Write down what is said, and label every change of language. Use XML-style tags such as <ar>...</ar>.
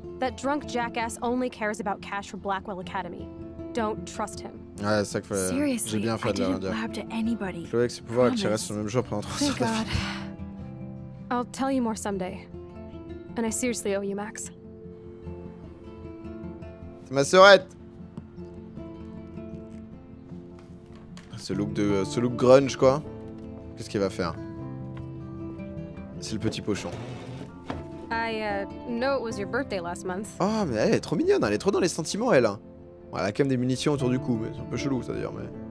<en>That drunk jackass only cares about cash for Blackwell Academy. Don't trust him.</en> <fr>Ouais, c'est ça que fallait.</fr> <en>Seriously,</en> <fr>j'ai bien fait de rien dire. Chloé, avec ses pouvoirs, elle tirait sur le même jour pendant 3 heures.</fr> <en>Thank God. I'll tell you more someday. And I seriously owe you, Max.</en> <fr>C'est ma sœurette. Ce look grunge, quoi. Qu'est-ce qu'il va faire? C'est le petit pochon.</fr> <en>I know it was your birthday last month.</en> <fr>Oh, mais elle est trop mignonne, elle est trop dans les sentiments, elle. Elle a quand même des munitions autour du cou, mais c'est un peu chelou ça d'ailleurs, mais.</fr>